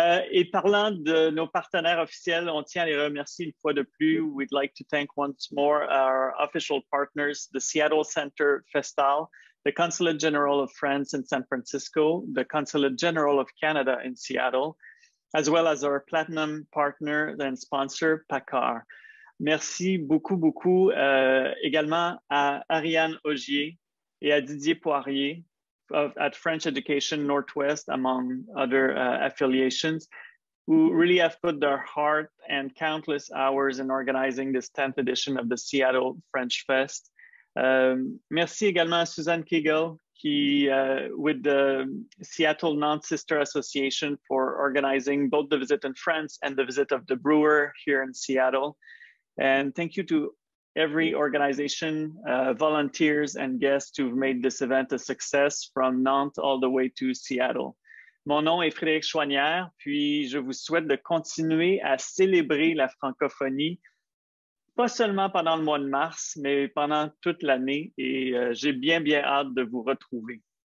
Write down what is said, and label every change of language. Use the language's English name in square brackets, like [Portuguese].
[French] et parlant de nos partenaires officiels, on tient à les remercier une fois de plus. [English] We'd like to thank once more our official partners, the Seattle Center Festál, the Consulate General of France in San Francisco, the Consulate General of Canada in Seattle, as well as our platinum partner and sponsor, PACAR. [French] Merci beaucoup, beaucoup également à Ariane Augier et à Didier Poirier, [English] at French Education Northwest, among other affiliations, who really have put their heart and countless hours in organizing this 10th edition of the Seattle French Fest. [French] Merci également à [English] Suzanne Kegel, with the Seattle Non-Sister Association, for organizing both the visit in France and the visit of the brewer here in Seattle. And thank you to every organization, volunteers, and guests who've made this event a success from Nantes all the way to Seattle. [French] Mon nom est Frédéric Choignard, puis je vous souhaite de continuer à célébrer la francophonie, pas seulement pendant le mois de mars, mais pendant toute l'année, et j'ai bien, bien hâte de vous retrouver.